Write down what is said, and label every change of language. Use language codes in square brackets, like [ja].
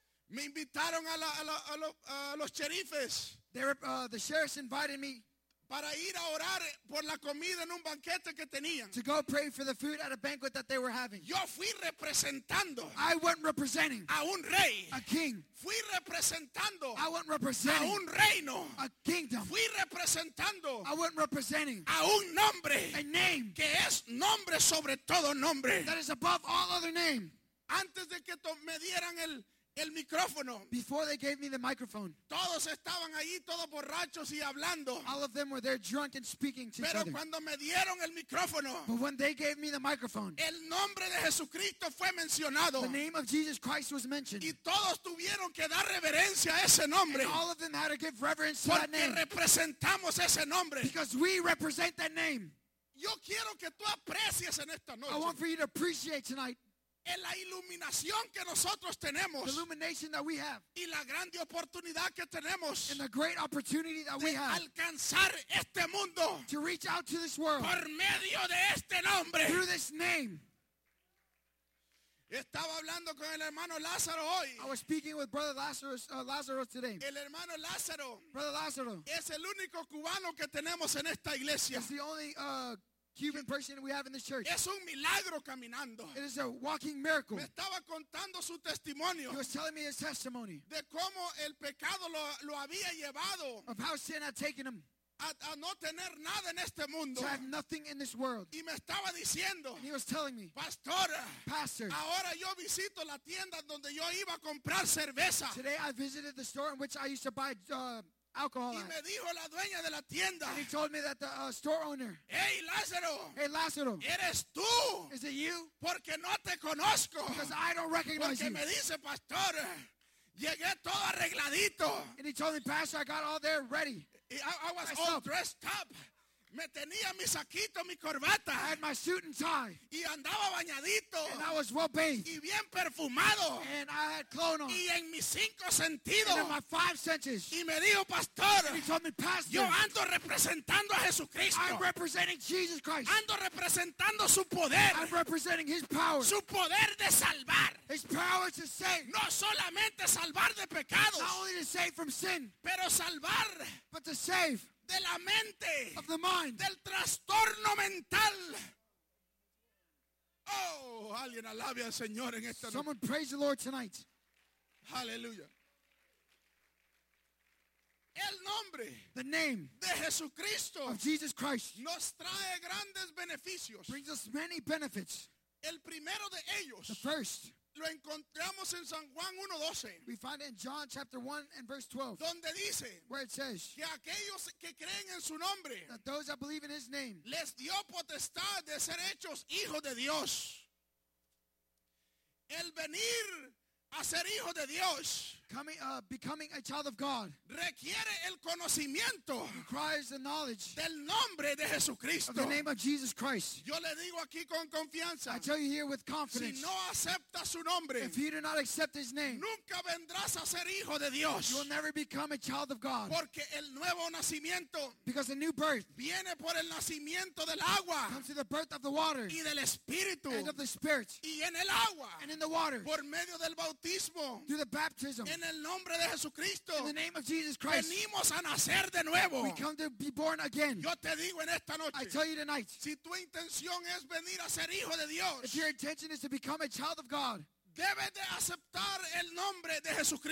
[es] Me invitaron a los sheriffes. [en] The sheriffs invited me [es] para ir a orar por la comida en un banquete que tenían. [en] To go pray for the food at a banquet that they were having. [es] Yo fui representando. [en] I went representing. [es] A un rey. [en] A king. [es] Fui representando. [en] I went representing. [es] A un reino. [en] A kingdom. [es] Fui representando. [en] I went representing. [es] A un nombre. [en] A name. [es] Que es nombre sobre todo nombre. [en] That is above all other name. [es] Antes de que me dieran el micrófono. [en] Before they gave me the microphone. [es] Todos estaban allí, todos borrachos y hablando. [en] All of them were there drunk and speaking to [es] Pero [en] each other. [es] Cuando me dieron el micrófono. [en] But when they gave me the microphone. [es] El nombre de Jesucristo fue mencionado. [en] The name of Jesus Christ was mentioned. [es] Y todos tuvieron que dar reverencia a ese nombre. [en] And all of them had to give reverence [es] Porque [en] to that name. [es] Porque representamos ese nombre. [en] Because we represent that name. [es] Yo quiero que tú aprecies en esta noche. [en] I want for you to appreciate tonight. [es] En la iluminación que nosotros tenemos, [en] the illumination that we have, [es] y la grande oportunidad que tenemos, [en] and the great opportunity that we have, [es] alcanzar este mundo, [en] to reach out to this world, [es] por medio de este nombre, [en] through this name. [es] Estaba hablando con el hermano Lázaro hoy. [en] I was speaking with Brother Lazarus, today. [es] El hermano Lázaro, [en] Brother Lázaro, [es] es el único cubano que tenemos en esta iglesia. [en] Is the only Cuban person we have in this church. [es] Es un milagro caminando. [en] It is a walking miracle. [es] Me estaba contando su testimonio. [en] He was telling me his testimony. [es] De cómo el pecado lo había llevado. [en] Of how sin had taken him. [es] A no tener nada en este mundo. [en] To have nothing in this world. [es] Y me estaba diciendo. [en] And he was telling me. [es] Pastora. [en] Pastor. [es] Ahora yo visito la tienda donde yo iba a comprar cerveza. [en] Today I visited the store in which I used to buy alcohol. [es] Y me dijo la dueña de la tienda. [en] And he told me that the store owner. Hey, Lázaro. Hey, Lázaro. [es] Eres tú. [en] Is it you? [es] Porque no te conozco. [en] Because I don't recognize [es] Porque [en] you. [es] Porque me dice, pastor, llegué todo arregladito. [en] And he told me, pastor, I got all there ready. I was myself. All dressed up. [es] Me tenía mi saquito, mi corbata. [en] I had my suit and tie. [es] Y andaba bañadito. [en] And I was well bathed. [es] Y bien perfumado. [en] And I had cologne on. [es] Y en mis cinco sentidos. [en] And in my five senses. [es] Y me dijo, pastor. [en] And he told me, pastor. [es] Yo ando representando a Jesucristo. [en] I'm representing Jesus Christ. [es] Ando representando su poder. [en] I'm representing his power. [es] Su poder de salvar. [en] His power to save. [es] No solamente salvar de pecados. [en] Not only to save from sin. [es] Pero salvar. [en] But to save. [es] De la mente, [en] of the mind, [es] del trastorno mental. Oh, alguien alabe al Señor en esta noche. [en] Someone praise the Lord tonight. Hallelujah. [es] El nombre, [en] the name, [es] de Jesucristo, [en] of Jesus Christ, [es] nos trae grandes beneficios. [en] Brings us many benefits. [es] El primero de ellos, [en] the first. [es] Lo encontramos en San Juan 1:12. [en] We find it in John chapter 1 and verse 12. [es] Donde dice, [en] where it says, [es] que aquellos que creen en su nombre, [en] that those that believe in his name, [es] les dio potestad de ser hechos hijos de Dios. El venir a ser hijo de Dios, [en] becoming a child of God, [es] requiere el conocimiento, [en] requires the knowledge, [es] del nombre de Jesucristo, [en] of the name of Jesus Christ. [es] Yo le digo aquí con confianza, [en] I tell you here with confidence, [es] si no aceptas su nombre, [en] if you do not accept his name, [es] nunca vendrás a ser hijo de Dios. [en] You will never become a child of God, [es] porque el nuevo nacimiento, [en] because the new birth, [es] viene por el nacimiento del agua, [en] comes through the birth of the water, [es] y del espíritu, [en] and of the spirit, [es] y en el agua, [en] and in the water, [es] por medio del bautismo, [en] through the baptism, [es] en el nombre de Jesucristo. [en] In the name of Jesus Christ. [es] Venimos a nacer de nuevo. [en] We come to be born again. [es] Yo te digo en esta noche. [en] I tell you tonight. [es] Si tu intención es venir a ser hijo de Dios. [en] If your intention is to become a child of God. [es] Debes de aceptar el nombre de Jesucristo.